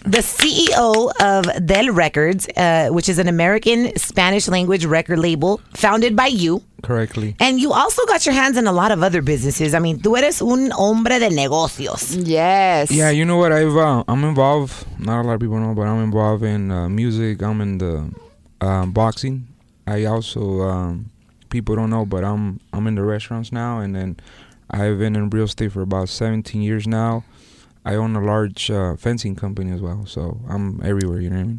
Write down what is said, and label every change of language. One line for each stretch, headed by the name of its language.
English: The CEO of Del Records, which is an American Spanish language record label founded by you. Correctly. And you also got your hands in a lot of other businesses. I mean,
Spanish: tú eres un hombre de negocios.
English: Yes. Yeah, you know what? I'm involved. Not a lot of people know, but I'm involved in music. I'm in the boxing. I also... people don't know, but I'm in the restaurants now, and then I've been in real estate for about 17 years now. I own a large fencing company as well, so I'm everywhere, you know what I mean?